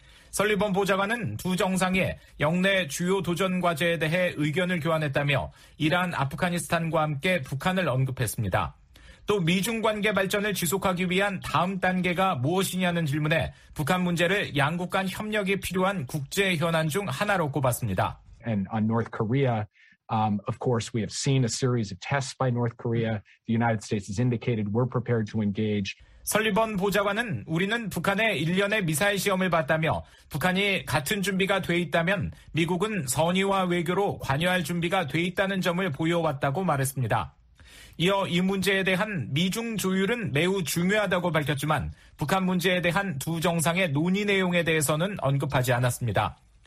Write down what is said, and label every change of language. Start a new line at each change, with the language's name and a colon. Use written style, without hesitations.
Korean: 설리번 보좌관은 두 정상의 영내 주요 도전 과제에 대해 의견을 교환했다며 이란, 아프가니스탄과 함께 북한을 언급했습니다. 또 미중 관계 발전을 지속하기 위한 다음 단계가 무엇이냐는 질문에 북한 문제를 양국 간 협력이 필요한 국제 현안 중 하나로 꼽았습니다.
English: And on North Korea, of course, we have seen a series of tests by North Korea. The United States has indicated we're prepared to engage.
Korean: 설리번 보좌관은 우리는 북한의 일련의 미사일 시험을 봤다며 북한이 같은 준비가 돼 있다면 미국은 선의와 외교로 관여할 준비가 돼 있다는 점을 보여왔다고 말했습니다. 이어 이 문제에 대한 미중 조율은 매우 중요하다고 밝혔지만 북한 문제에 대한 두 정상의 논의 내용에 대해서는 언급하지 않았습니다.